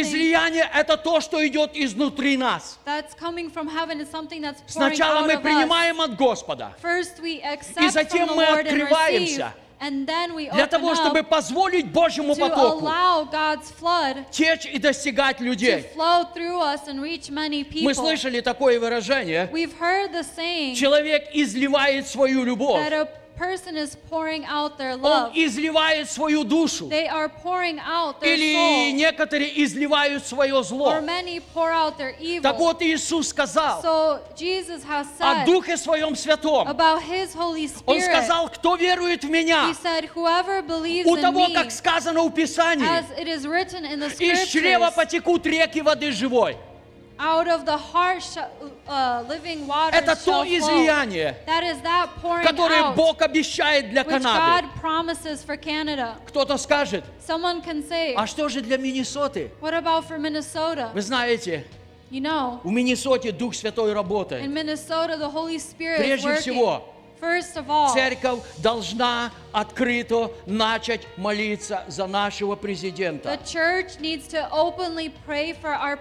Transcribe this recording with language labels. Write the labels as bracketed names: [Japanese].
[Russian] излияние — это то, что идет изнутри нас. [English] That's coming from heaven. It's something that's pouring [Russian] сначала [English] out [Russian] мы [English] of [Russian] принимаем [English] us. [Russian] От Господа, [English] first we accept [Russian] и затем [English] from the [Russian] мы [English] Lord [Russian] открываемся. [English] And receive. And then we open [Russian] для того, чтобы позволить Божьему потоку течь и достигать людей. [English] To flow through us and reach many people. [Russian] Мы слышали такое выражение. [English] We've heard the saying, [Russian] человек изливает свою любовь. [English] That a person is pouring out their love. [Russian] Он изливает свою душу. [English] They are pouring out their [Russian] или [English] soul. [Russian] Некоторые изливают свое зло. [English] Or many pour out their evil. [Russian] Так вот Иисус сказал [English] so Jesus has said, [Russian] о Духе Своем Святом. [English] About his Holy Spirit. [Russian] Он сказал, кто верует в Меня, [English] he said, whoever believes [Russian] у того, [English] in me, [Russian] как сказано в Писании, [English] as it is written in the scriptures, [Russian] из чрева потекут реки воды живой. [English] Out of the heart, living water. [Russian] Это то излияние, [English] that is that pouring [Russian] которое [English] out, [Russian] Бог обещает для [English] which [Russian] Канады. [English] God promises for Canada. [Russian] Кто-то скажет, [English] someone can say, [Russian] а что же для Миннесоты? [English] What about for Minnesota? [Russian] Вы знаете, [English] you know, [Russian] в Миннесоте Дух Святой работает. [English] In Minnesota, the Holy Spirit [Russian] прежде [English] is working. [Russian] Всего, [English] first of all, [Russian] церковь должна открыто начать молиться за нашего президента. [English] The church needs to openly pray for our president